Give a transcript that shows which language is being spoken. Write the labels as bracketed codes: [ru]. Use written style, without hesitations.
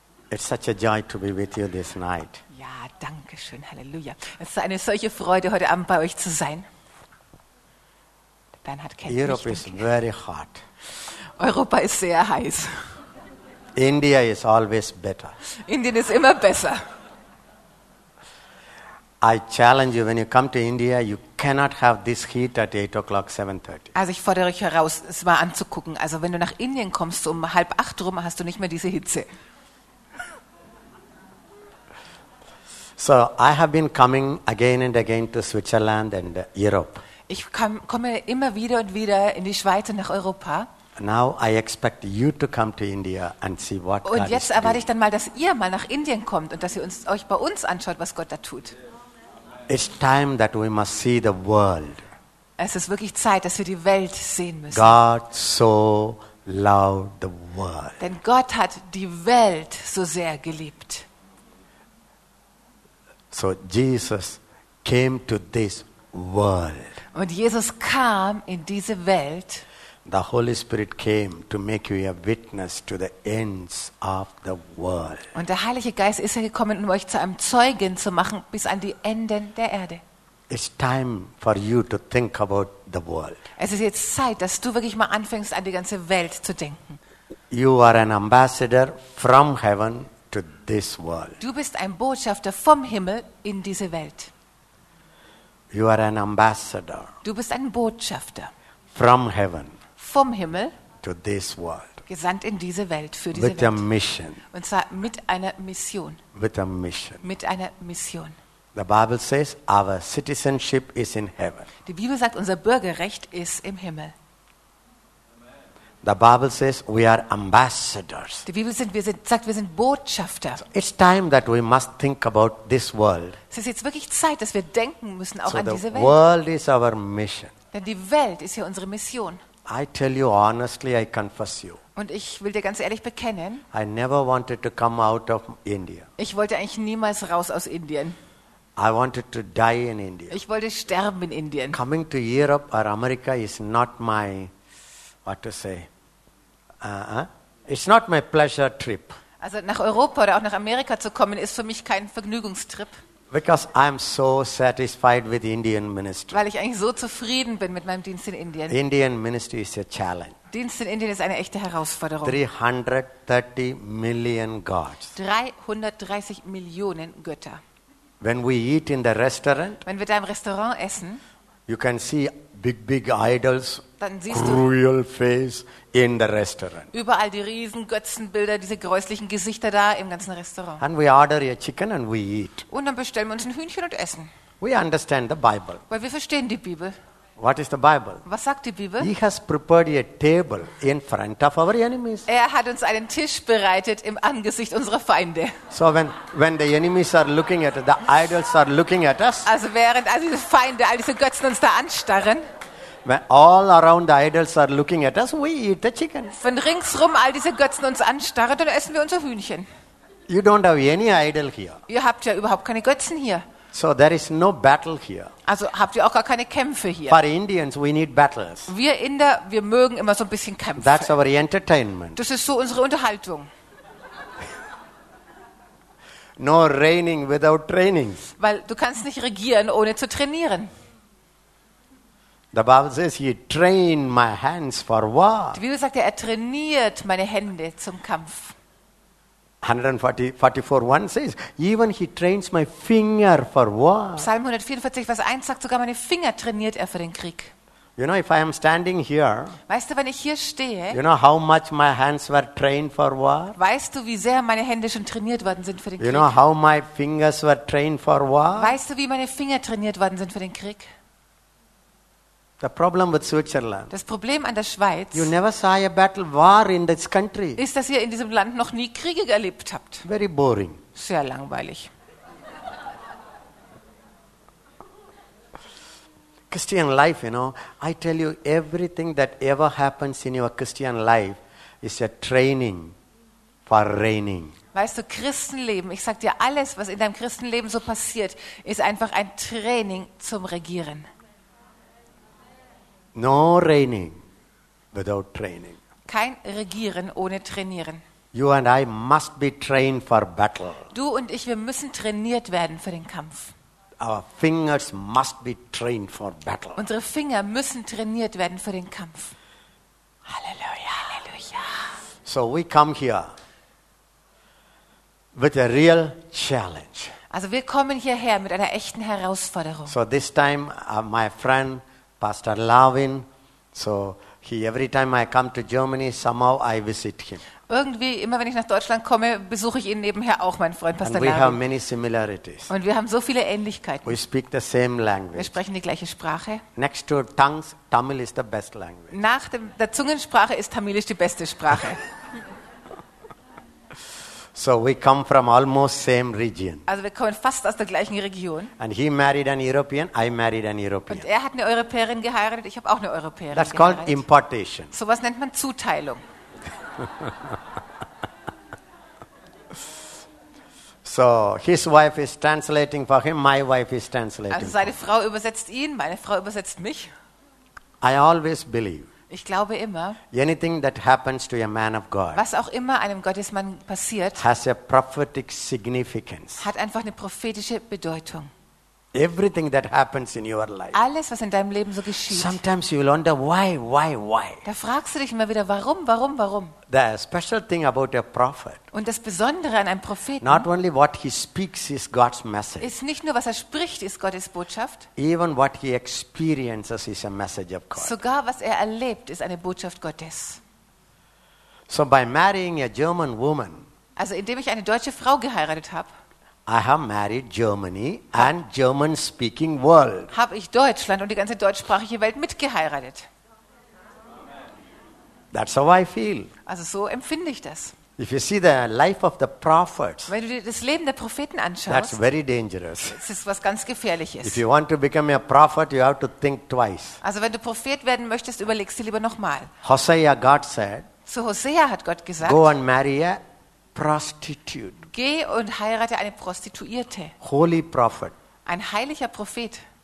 [en] It's such a joy to be with you this night. [de] Ja, danke schön, Halleluja. Es ist eine solche Freude, heute Abend bei euch zu sein. Bernhard kennt mich. [en] Europe is very hot. [de] Europa ist sehr heiß. [en] India is always better. [de] Indien ist immer besser. [en] I challenge you, when you come to India, you cannot have this heat at 8 o'clock, 7:30. [de] Also ich fordere euch heraus, es mal anzugucken. Also wenn du nach Indien kommst, um 7:30 rum, hast du nicht mehr diese Hitze. [en] So I have been coming again and again to Switzerland and Europe. [de] Ich komme immer wieder und wieder in die Schweiz und nach Europa. [en] Now I expect you to come to India and see what God is. [de] Und jetzt erwarte ich dann mal, dass ihr mal nach Indien kommt und dass ihr euch bei uns anschaut, was Gott da tut. [en] It's time that we must see the world. [de] Es ist wirklich Zeit, dass wir die Welt sehen müssen. [en] God so loved the world. [de] Denn Gott hat die Welt so sehr geliebt. [en] So Jesus came to this world. [de] Und Jesus kam in diese Welt. [en] The Holy Spirit came to make you a witness to the ends of the world. [de] Und der Heilige Geist ist gekommen, um euch zu einem Zeugen zu machen bis an die Enden der Erde. [en] It's time for you to think about the world. [de] Es ist jetzt Zeit, dass du wirklich mal anfängst, an die ganze Welt zu denken. [en] You are an ambassador from heaven to this world. [de] Du bist ein Botschafter vom Himmel in diese Welt. [en] You are an ambassador. [de] Du bist ein Botschafter. [en] From heaven. [de] Vom Himmel [en] to this world, [de] gesandt in diese Welt für diese [en] with [de] Welt. [en] A mission, [de] und zwar mit einer Mission. [en] With a mission. [de] Mit einer Mission. [en] The Bible says, our citizenship is in heaven. [de] Die Bibel sagt, unser Bürgerrecht ist im Himmel. [en] The Bible says we are ambassadors. [de] Die Bibel sagt, wir sind Botschafter. [en] So it's time that we must think about this world. [de] Es ist jetzt wirklich Zeit, dass wir denken müssen auch [en] so [de] an diese Welt. [en] The world is our mission. [de] Denn die Welt ist ja unsere Mission. [en] I tell you honestly, I confess you. [de] Und ich will dir ganz ehrlich bekennen. [en] I never wanted to come out of India. [de] Ich wollte eigentlich niemals raus aus Indien. [en] I wanted to die in India. [de] Ich wollte sterben in Indien. [en] Coming to Europe or America is not my, what to say, it's not my pleasure trip. [de] Also nach Europa oder auch nach Amerika zu kommen, ist für mich kein Vergnügungstrip. [en] Because I'm so satisfied with the Indian ministry. [de] Weil ich eigentlich so zufrieden bin mit meinem Dienst in Indien. [en] Indian ministry is a challenge. [de] Dienst in Indien ist eine echte Herausforderung. [en] 330 million gods. [de] 330 Millionen Götter. [en] When we eat in the restaurant, [de] wenn wir da im Restaurant essen, [en] you can see big idols, [de] dann siehst [en] cruel face in the restaurant. [de] Überall die riesen Götzenbilder, diese gräußlichen Gesichter da im ganzen Restaurant. [en] And we order a chicken and we eat. [de] Und dann bestellen wir uns ein Hühnchen und essen. [en] We understand the Bible. [de] Weil wir verstehen die Bibel. [en] What is the Bible? [de] Was sagt die Bibel? [en] He has prepared a table in front of our enemies. [de] Er hat uns einen Tisch bereitet im Angesicht unserer Feinde. [en] So when the enemies are looking at us, the idols are looking at us. [de] Also während all diese Feinde, all diese Götzen uns da anstarren. [en] When all around the idols are looking at us, we eat the chicken. [de] Wenn ringsrum all diese Götzen uns anstarren, dann essen wir unser Hühnchen. [en] You don't have any idol here. [de] Ihr habt ja überhaupt keine Götzen hier. [en] So there is no battle here. [de] Also habt ihr auch gar keine Kämpfe hier. [en] For Indians, we need battles. [de] Wir Inder, wir mögen immer so ein bisschen kämpfen. [en] That's our entertainment. [de] Das ist so unsere Unterhaltung. [en] No reigning without training. [de] Weil du kannst nicht regieren, ohne zu trainieren. [en] The Bible says he trained my hands for war. [de] Die Bibel sagt, er trainiert meine Hände zum Kampf. [en] 144:1 says, even he trains my finger for war. [de] Psalm 144:1 sagt, sogar meine Finger trainiert er für den Krieg. [en] You know, if I am standing here, [de] weißt du, wenn ich hier stehe, [en] you know how much my hands were trained for war? [de] Weißt du, wie sehr meine Hände schon trainiert worden sind für den Krieg? [en] You know how my fingers were trained for war? [de] Weißt du, wie meine Finger trainiert worden sind für den Krieg? [en] The problem with Switzerland. [de] Das Problem an der Schweiz. [en] You never saw a battle war in this country. [de] Ist, dass ihr in diesem Land noch nie Kriege erlebt habt. [en] Very boring. [de] Sehr langweilig. [en] Christian life, you know, I tell you, everything that ever happens in your Christian life is a training for reigning. [de] Weißt du, Christenleben, ich sag dir, alles, was in deinem Christenleben so passiert, ist einfach ein Training zum Regieren. [en] No reigning without training. [de] Kein Regieren ohne Trainieren. [en] You and I must be trained for battle. [de] Du und ich, wir müssen trainiert werden für den Kampf. [en] Our fingers must be trained for battle. [de] Unsere Finger müssen trainiert werden für den Kampf. Halleluja, Halleluja. [en] So we come here with a real challenge. [de] Also wir kommen hierher mit einer echten Herausforderung. [en] So this time my friend Pastor Lavin, so he every time I come to Germany somehow I visit him. [de] Irgendwie immer wenn ich nach Deutschland komme, besuche ich ihn nebenher auch, mein Freund Pastor [en] Lavin. And we have many similarities. [de] Und wir haben so viele Ähnlichkeiten. [en] We speak the same language. [de] Wir sprechen die gleiche Sprache. [en] Next to tongues, Tamil is the best language. [de] Nach der Zungensprache ist Tamilisch die beste Sprache. [en] So we come from almost same region. [de] Also wir kommen fast aus der gleichen Region. [en] And he married an European, I married an European. [de] Und er hat eine Europäerin geheiratet, ich habe auch eine Europäerin [en] That's [de] geheiratet. [en] That's called importation. [de] So was nennt man Zuteilung. [en] So his wife is translating for him, my wife is translating. [de] Also seine Frau übersetzt ihn, meine Frau übersetzt mich. [en] I always believe. [de] Ich glaube immer, [en] anything that happens to a man of God, [de] was auch immer einem Gottesmann passiert, [en] has a prophetic significance. [de] Hat einfach eine prophetische Bedeutung. [en] Everything that happens in your life. [de] Alles, was in deinem Leben so geschieht. [en] Sometimes you will wonder why. [de] Da fragst du dich immer wieder, warum. [en] The special thing about a prophet. [de] Und das Besondere an einem Propheten. [en] Not only what he speaks is God's message. [de] Ist nicht nur was er spricht, ist Gottes Botschaft. [en] Even what he experiences is a message of God. [de] Sogar was er erlebt, ist eine Botschaft Gottes. [en] So by marrying a German woman. [de] Also indem ich eine deutsche Frau geheiratet habe. [en] I have married Germany and German-speaking world. [de] Habe ich Deutschland und die ganze deutschsprachige Welt mitgeheiratet. [en] That's how I feel. [de] Also so empfinde ich das. [en] If you see the life of the prophets, [de] wenn du dir das Leben der Propheten anschaust, [en] that's very dangerous. [de] Das ist was ganz Gefährliches. [en] If you want to become a prophet, you have to think twice. [de] Also wenn du Prophet werden möchtest, überlegst du lieber nochmal. [en] Hosea, God said. [de] Zu Hosea hat Gott gesagt. [en] Go and marry a prostitute. [de] Geh und heirate eine Prostituierte. [en] Holy prophet. [de] Ein heiliger Prophet.